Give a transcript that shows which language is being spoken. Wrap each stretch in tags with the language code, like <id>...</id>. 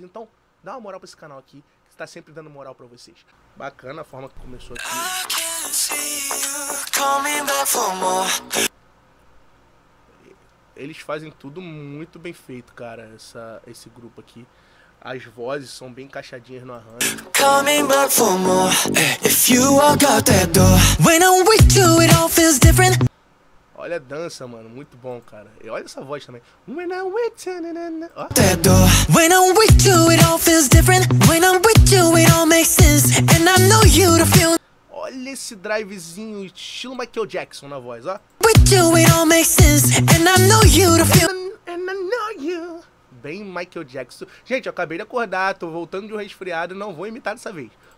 <pt>Então, dá uma moral pra esse canal aqui, que tá sempre dando moral pra vocês. Bacana a forma que começou aqui. Eles fazem tudo muito bem feito, cara, esse grupo aqui. As vozes são bem encaixadinhas no arranjo.</pt> <en>Coming back for more, if you walk out that door. When I'm with you, it all feels different.</en> <pt>Olha a dança, mano, muito bom, cara. E olha essa voz também.</pt> <en>When I'm with you, na, na, na. Oh. That door. When I'm with you, it all feels different. When I'm with you, it all makes sense. And I know you to feel.</en> <pt>Olha esse drivezinho, estilo Michael Jackson na voz, ó.</pt> <en>With you, it all makes sense. And I know you to feel. And I know you. Bem Michael Jackson.</en> <pt>Gente, eu acabei de acordar, tô voltando de um resfriado, não vou imitar dessa vez.</pt>